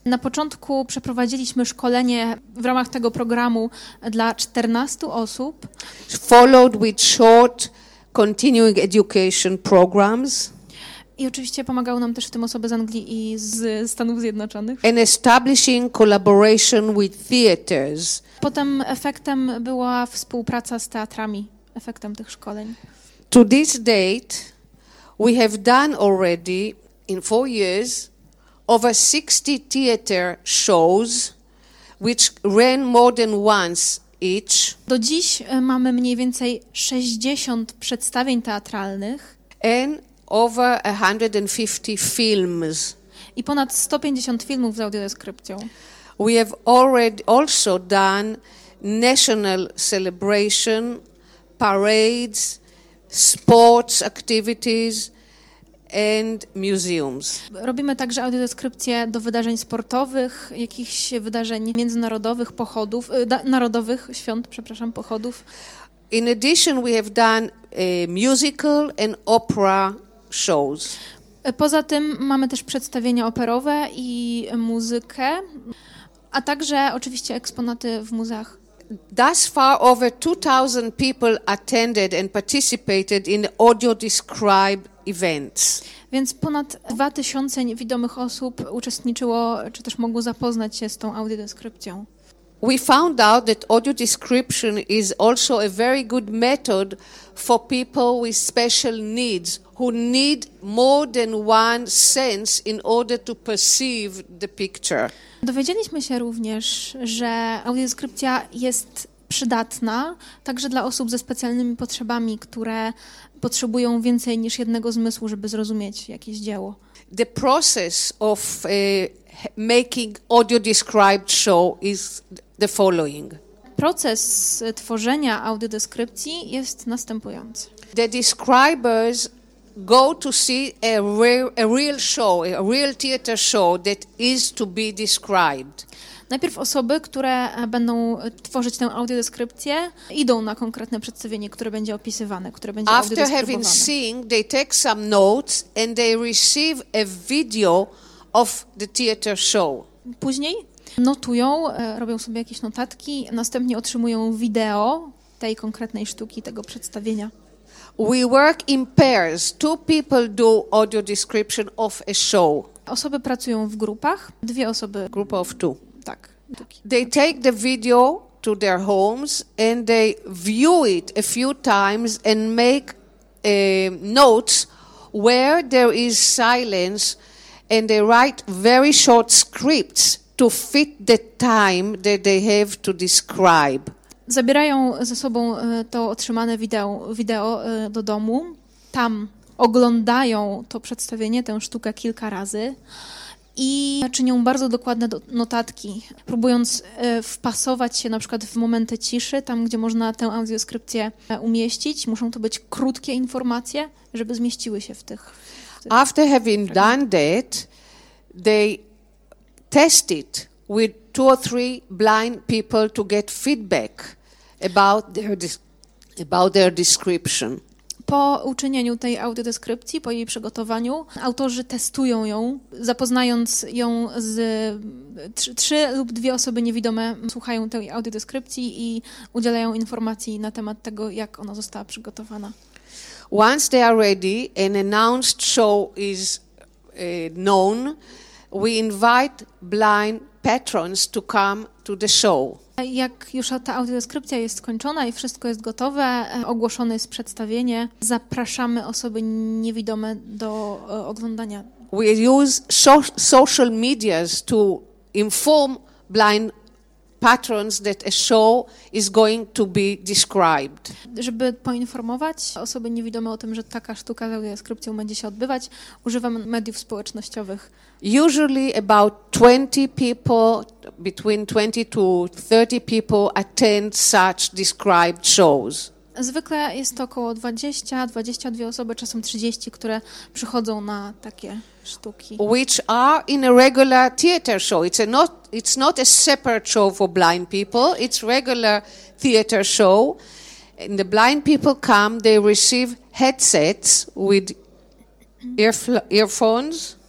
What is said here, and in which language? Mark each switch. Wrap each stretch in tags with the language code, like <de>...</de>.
<pl>Na początku przeprowadziliśmy szkolenie w ramach tego programu dla 14 osób.</pl> <en>Followed with short continuing education programs.</en> <pl>I oczywiście pomagały nam też w tym osoby z Anglii i z Stanów Zjednoczonych.</pl> <en>And establishing collaboration with theaters.</en> <pl>Potem efektem była współpraca z teatrami, efektem tych szkoleń.</pl> <en>To this date, we have done already in 4 years over 60 theater shows, which ran more than once each.</en> <pl>Do dziś mamy mniej więcej 60 przedstawień teatralnych.</pl> <en>And over 150 films.</en> <pl>I ponad 150 filmów z audiodeskrypcją.</pl> <en>We have already also done national celebration, parades, sports activities and museums.</en> <pl>Robimy także audiodeskrypcje do wydarzeń sportowych, jakichś wydarzeń międzynarodowych, pochodów, narodowych świąt, przepraszam, pochodów.</pl> <en>In addition, we have done a musical and opera shows.</en> <pl>Poza tym mamy też przedstawienia operowe i muzykę, a także oczywiście eksponaty w muzeach.</pl> <en>Thus far over 2,000 people attended and participated in audio described events.</en> <pl>Więc ponad 2,000 niewidomych osób uczestniczyło, czy też mogło zapoznać się z tą audiodeskrypcją.</pl> <en>We found out that audio description is also a very good method for people with special needs who need more than one sense in order to perceive the picture.</en> <pl>Dowiedzieliśmy się również, że audiodeskrypcja jest przydatna także dla osób ze specjalnymi potrzebami, które potrzebują więcej niż jednego zmysłu, żeby zrozumieć jakieś dzieło.</pl> <en>The process of making audio described show is the following.</en> <pl>Proces tworzenia audiodeskrypcji jest następujący.</pl> <en>The describers go to see a real show, a real theater show that is to be described.</en> <pl>Najpierw osoby, które będą tworzyć tę audiodeskrypcję, idą na konkretne przedstawienie, które będzie opisywane, które będzie audiodeskrybowane.</pl> <en>After having seen, they take some notes and they receive a video of the theater show.</en> <pl>Później notują, robią sobie jakieś notatki, następnie otrzymują wideo tej konkretnej sztuki, tego przedstawienia.</pl> <en>We work in pairs. Two people do audio description of a show.</en> <pl>Osoby pracują w grupach. Dwie osoby. Group of two. Tak.</pl> <en>They take the video to their homes and they view it a few times and make notes where there is silence and they write very short scripts to fit the time that they have to describe.</en> <pl>Zabierają ze sobą to otrzymane wideo do domu. Tam oglądają to przedstawienie, tę sztukę kilka razy i czynią bardzo dokładne notatki, próbując wpasować się na przykład w momenty ciszy, tam gdzie można tę audiodeskrypcję umieścić. Muszą to być krótkie informacje, żeby zmieściły się w tych...</pl> <en>After having done that, they test it with two or three blind people to get feedback about their description.</en> <pl>Po uczynieniu tej audiodeskrypcji, po jej przygotowaniu, autorzy testują ją, zapoznając ją z trzy lub dwie osoby niewidome słuchają tej audiodeskrypcji i udzielają informacji na temat tego, jak ona została przygotowana.</pl> <en>Once they are ready, an announced show is known, we invite blind patrons to come to the show.</en> <pl>Jak już ta audiodeskrypcja jest skończona i wszystko jest gotowe, ogłoszone jest przedstawienie, zapraszamy osoby niewidome do oglądania.</pl> <en>We use social medias to inform blind patrons that a show is going to be described.</en> <pl>Żeby poinformować osoby niewidome o tym, że taka sztuka z audiodeskrypcją będzie się odbywać, używam mediów społecznościowych.</pl> <en>Usually about 20 people, between 20 to 30 people attend such described shows.</en> <pl>Zwykle jest to około 20-22 osoby, czasem 30, które przychodzą na takie sztuki.</pl> <en>Which are in a regular theater show. It's not a separate show for blind people. It's regular theater show. And the blind people come, they receive headsets with earphones.</en>